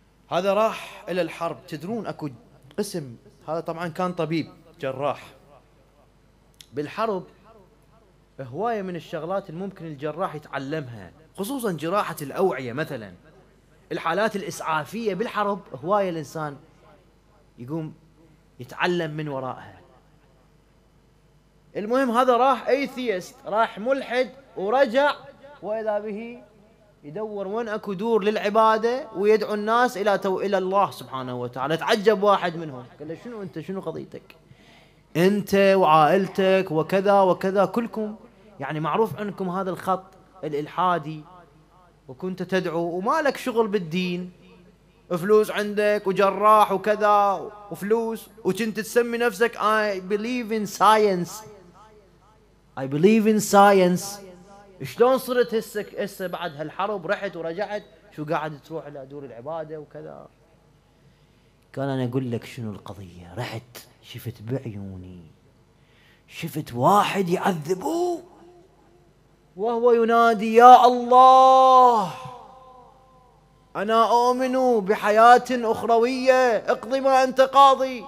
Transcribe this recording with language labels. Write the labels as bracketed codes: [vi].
[ar] هذا راح إلى الحرب، تدرون أكو قسم، هذا طبعا كان طبيب جراح بالحرب، هواية من الشغلات الممكن الجراح يتعلمها خصوصا جراحة الأوعية مثلا، الحالات الإسعافية بالحرب هواية الإنسان يقوم يتعلم من ورائها. المهم هذا راح أيثيست، راح ملحد ورجع، وإذا به يدور وين أكو دور للعبادة ويدعو الناس إلى إلى الله سبحانه وتعالى. تعجب واحد منهم قال له شنو أنت، شنو قضيتك أنت وعائلتك وكذا وكذا، كلكم يعني معروف عنكم هذا الخط الإلحادي، وكنت تدعو وما لك شغل بالدين، فلوس عندك وجراح وكذا وفلوس، وكنت تسمي نفسك [en] I believe in science. [ar] شلون صرت هسه بعد هالحرب رحت ورجعت شو قاعد تروح إلى دور العبادة وكذا؟ كان أنا أقول لك شنو القضية، رحت شفت بعيوني، شفت واحد يعذبوه وهو ينادي يا الله أنا أؤمن بحياة أخروية، اقضي ما أنت قاضي.